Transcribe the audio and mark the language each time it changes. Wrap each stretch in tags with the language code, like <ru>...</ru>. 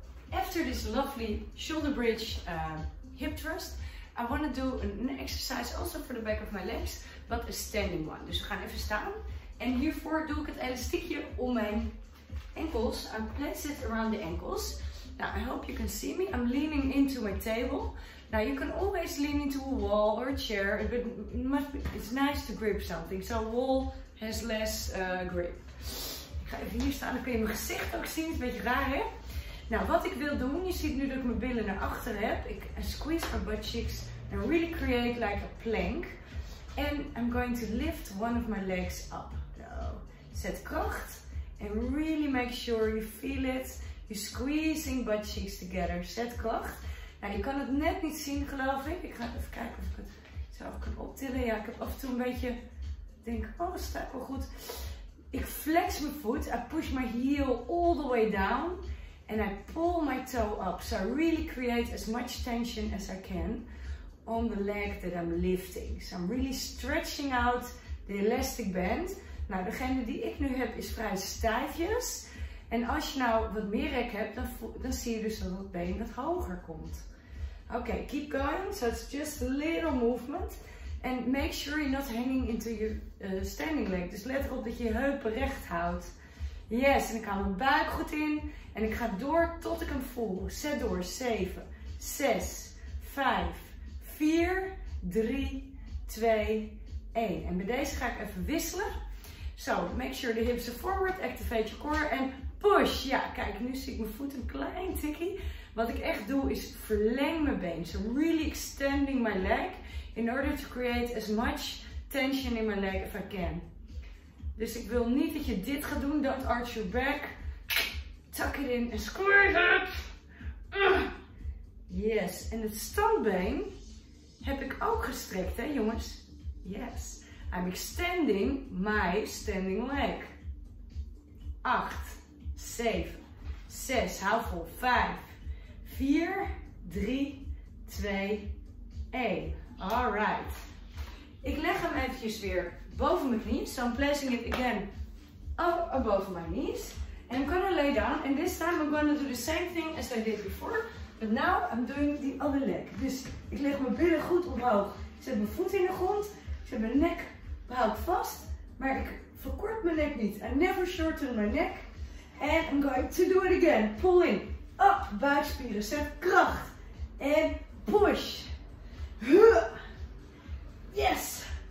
<en>After this lovely shoulder bridge hip thrust, I want to do an exercise also for the back of my legs, but a standing one.</en> <nl>Dus we gaan even staan. En hiervoor doe ik het elastiekje om mijn enkels.</nl> <en>I place it around the ankles. Now, I hope you can see me. I'm leaning into my table. Now, you can always lean into a wall or a chair, but it's nice to grip something. So, a wall has less grip.</en> <nl>Ik ga even hier staan, dan kun je mijn gezicht ook zien. Het is een beetje raar, hè? Nou, wat ik wil doen, je ziet nu dat ik mijn billen naar achteren heb.</nl> <en>Ik squeeze my butt cheeks and really create like a plank. And I'm going to lift one of my legs up. So,</en> <nl>zet kracht</nl> <en>and really make sure you feel it. You're squeezing butt cheeks together.</en> <nl>Zet kracht. Nou, je kan het net niet zien, geloof ik. Ik ga even kijken of ik het zelf kan optillen. Ja, ik heb af en toe een beetje... Ik denk, oh, dat staat wel goed. Ik flex mijn voet.</nl> <en>I push my heel all the way down. And I pull my toe up. So I really create as much tension as I can on the leg that I'm lifting. So I'm really stretching out the elastic band.</en> <nl>Nou, degene die ik nu heb is vrij stijfjes. En als je nou wat meer rek hebt, dan zie je dus dat het been wat hoger komt.</nl> <en>Okay, keep going. So it's just a little movement. And make sure you're not hanging into your standing leg.</en> <nl>Dus let erop dat je je heupen recht houdt. Yes, en ik haal mijn buik goed in. En ik ga door tot ik hem voel. Zet door. 7, 6, 5, 4, 3, 2, 1. En bij deze ga ik even wisselen.</nl> <en>So, make sure the hips are forward. Activate your core. And push.</en> <nl>Ja, kijk, nu zie ik mijn voet een klein tikkie. Wat ik echt doe is verleng mijn been.</nl> <en>So really extending my leg in order to create as much tension in my leg as I can.</en> <nl>Dus ik wil niet dat je dit gaat doen.</nl> <en>Don't arch your back. Tuck it in and squeeze it. Yes.</en> <nl>En het standbeen heb ik ook gestrekt, hè jongens.</nl> <en>Yes. I'm extending my standing leg. 8. 7, 6,</en> <nl>hou vol,</nl> <en>5, 4, 3, 2, 1. Alright.</en> <nl>Ik leg hem eventjes weer boven mijn knieën.</nl> <en>So I'm placing it again above my knees. And I'm going to lay down. And this time I'm going to do the same thing as I did before. But now I'm doing the other leg.</en> <nl>Dus ik leg mijn billen goed omhoog. Ik zet mijn voet in de grond. Ik zet mijn nek behoud vast. Maar ik verkort mijn nek niet.</nl> <en>I never shorten my neck. And I'm going to do it again. Pulling up,</en> <nl>buikspieren. Zet kracht.</nl> <en>And push. Huh. Yes.</en>